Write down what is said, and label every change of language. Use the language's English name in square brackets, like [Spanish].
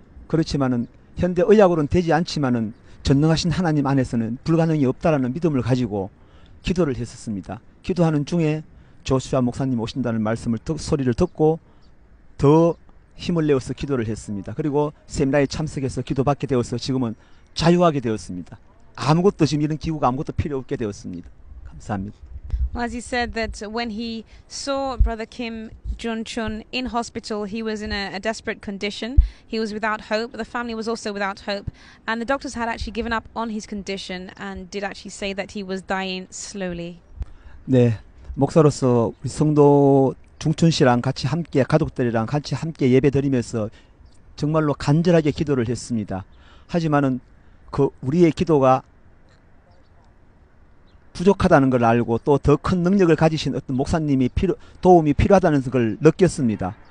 [Korean] 그렇지만은 현대의학으로는 되지 않지만은 전능하신 하나님 안에서는 불가능이 없다라는 믿음을 가지고 기도를 했었습니다. 기도하는 중에 조슈아 목사님 오신다는 말씀을 소리를 듣고 더 힘을 내어서 기도를 했습니다. 그리고 세미나에 참석해서 기도받게 되어서 지금은 자유하게 되었습니다. 아무것도 지금 이런 기구가 아무것도 필요 없게 되었습니다. 감사합니다. [English] Well, as he said that when he saw Brother Kim Jun-chun in hospital, he was in a desperate condition. He was without hope. The family was also without hope. And the doctors had actually given up on his condition and did actually say that he was dying slowly. [Korean] 네, 목사로서 우리 성도 중춘 씨랑 같이 함께 가족들이랑 같이 함께 예배 드리면서 정말로 간절하게 기도를 했습니다. 하지만은 그 우리의 기도가 부족하다는 걸 알고 또 더 큰 능력을 가지신 어떤 목사님이 도움이 필요하다는 걸 느꼈습니다.